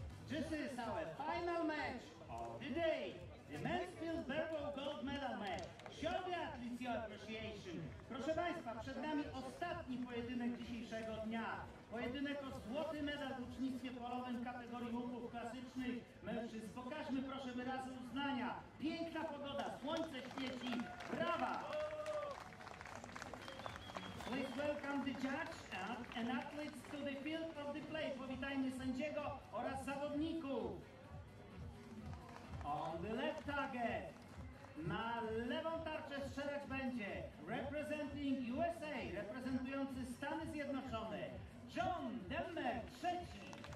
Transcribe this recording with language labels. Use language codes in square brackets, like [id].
[en] This is our final match of the day, the men's field barrel gold medal match. Show the athletes your appreciation. [pl] Proszę Państwa, przed nami ostatni pojedynek dzisiejszego dnia. Pojedynek o złoty medal w ucznictwie polowym kategorii łuków klasycznych mężczyzn. Pokażmy proszę wyrazy uznania. Piękna pogoda, słońce świeci. Brawa! [en] Please welcome the judge and athletes to the field of the play. [pl] Powitajmy sędziego oraz zawodników. [en] On the left target. [pl] Na lewą tarczę strzelać będzie [en] representing USA, [pl] reprezentujący Stany Zjednoczone, John Demmer III.